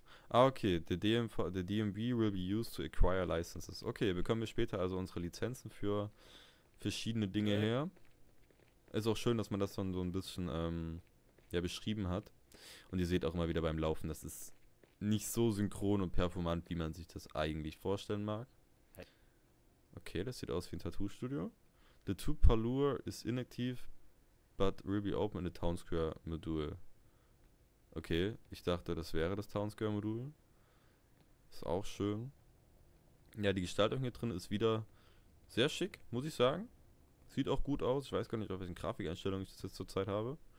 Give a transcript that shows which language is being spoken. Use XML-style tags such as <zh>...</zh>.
<en>Ah, okay, the DMV will be used to acquire licenses.</en> <de>Okay, bekommen wir später also unsere Lizenzen für verschiedene Dinge her. Ist auch schön, dass man das dann so ein bisschen ja, beschrieben hat. Und ihr seht auch immer wieder beim Laufen, das ist nicht so synchron und performant, wie man sich das eigentlich vorstellen mag. Okay, das sieht aus wie ein Tattoo-Studio.</de> <en>The Tupalur is inactive, but will be open in the Town Square Module.</en> <de>Okay, ich dachte, das wäre das Town Square Modul. Ist auch schön. Ja, die Gestaltung hier drin ist wieder sehr schick, muss ich sagen. Sieht auch gut aus. Ich weiß gar nicht, auf welchen Grafikeinstellungen ich das jetzt zurzeit habe.</de>